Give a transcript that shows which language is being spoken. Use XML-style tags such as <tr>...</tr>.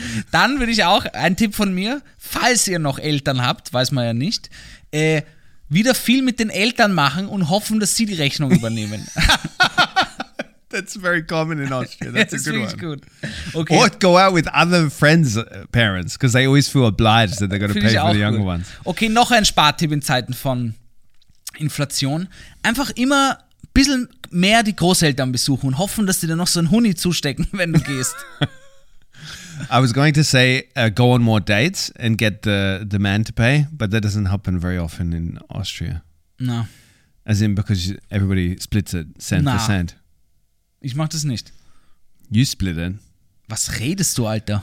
<de>Dann würde ich auch, ein Tipp von mir, falls ihr noch Eltern habt, weiß man ja nicht, wieder viel mit den Eltern machen und hoffen, dass sie die Rechnung übernehmen.</de> <en>That's very common in Austria. That's a good one. Okay. Or go out with other friends' parents, because they always feel obliged that they're going to pay for the younger ones.</en> <de>Okay, noch ein Spartipp in Zeiten von Inflation. Einfach immer ein bisschen mehr die Großeltern besuchen und hoffen, dass sie dir noch so einen Huni zustecken, wenn du gehst.</de> <en>I was going to say, go on more dates and get the man to pay, but that doesn't happen very often in Austria. No. As in, because everybody splits it cent for cent.</en> <de>Ich mach das nicht.</de> <en>You split it.</en> <de>Was redest du, Alter?</de>